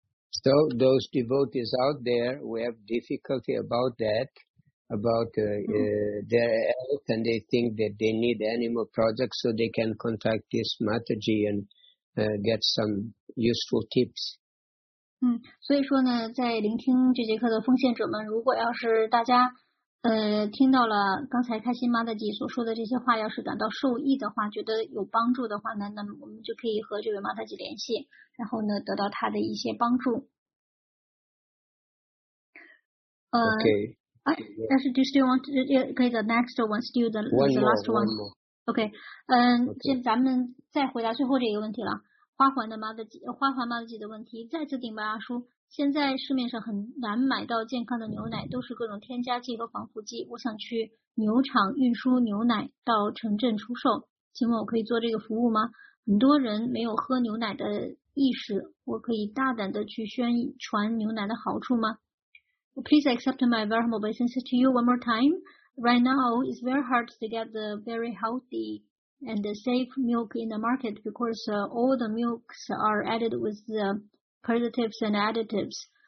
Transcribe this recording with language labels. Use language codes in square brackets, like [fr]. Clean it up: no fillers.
[en] So those devotees out there, we have difficulty about that, about their health, and they think that they need any more projects, so they can contact this Mataji and get some useful tips. [zh] 所以说呢，在聆听这节课的奉献者们，如果要是大家听到了刚才开心Mataji所说的这些话，要是感到受益的话，觉得有帮助的话呢，那么我们就可以和这位Mataji联系，然后呢得到他的一些帮助。 [en] Okay. Actually, do you still want to get the next one? Still the last one? One more. Okay. [zh] 现在咱们再回答最后这个问题了。花环妈的姐的问题，再次顶白阿叔。现在市面上很难买到健康的牛奶，都是各种添加剂和防腐剂。我想去牛场运输牛奶到城镇出售，请问我可以做这个服务吗？很多人没有喝牛奶的意识，我可以大胆的去宣传牛奶的好处吗？ [en] Please accept my very humble obeisances to you one more time. Right now, it's very hard to get the very healthy and safe milk in the market because all the milks are added with the preservatives and additives.